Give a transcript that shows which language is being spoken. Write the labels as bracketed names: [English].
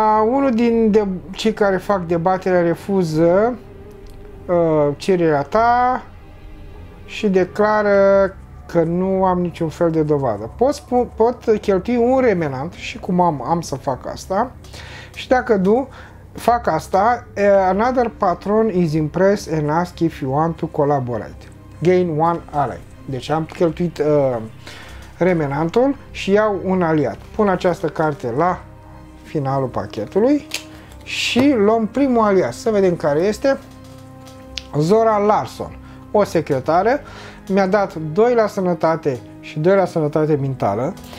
[Romanian] Unul din cei care fac debaterea refuză cererea ta și declară că nu am niciun fel de dovadă. Pot cheltui un remanent și cum am să fac asta. Și dacă fac asta, [English] another patron is impressed and ask if you want to collaborate. Gain one ally. [Romanian] Deci am cheltuit remanentul și iau un aliat. Pun această carte la finalul pachetului și luăm primul aliat. Să vedem care este. Zora Larson, o secretară, mi-a dat 2 la sănătate și 2 la sănătate mentală.